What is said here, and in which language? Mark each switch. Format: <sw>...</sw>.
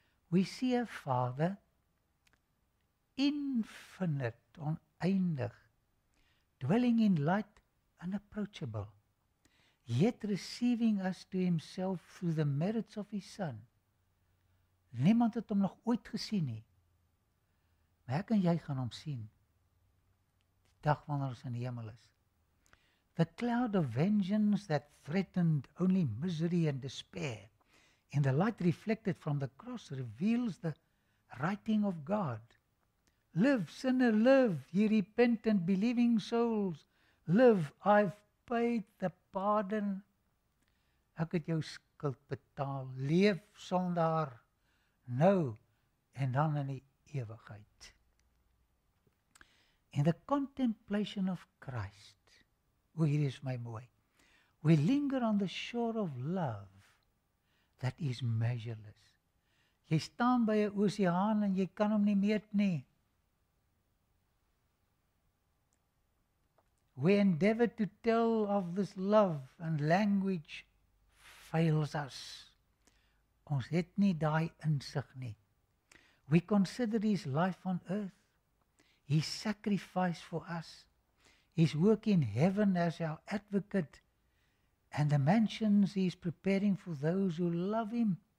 <en>We see a Father, infinite, oneindig, dwelling in light, unapproachable, yet receiving us to himself through the merits of his Son.</en> <af>Niemand het hom nog ooit gesien nie. Maar ek en jy gaan hom sien. Die dag wanneer ons in die hemel is.</af> <en>The cloud of vengeance that threatened only misery and despair, in the light reflected from the cross, reveals the writing of God. Live, sinner, live, ye repentant, believing souls. Live, I've paid the pardon.</en> <af>Ek het jou skuld betaal. Leef, sondaar. Nou en dan in die ewigheid.</af> <en>In the contemplation of Christ,</en> <af>o, hier is my mooi,</af> <en>we linger on the shore of love that is measureless.</en> <af>Jy staan by 'n oseaan en jy kan hom nie meet nie.</af> <en>we endeavor to tell of this love and language fails us.</en> <af>Ons het nie die insig nie.</af> <en>We consider his life on earth, his sacrifice for us, his work in heaven as our advocate, and the mansions he is preparing for those who love him.</en>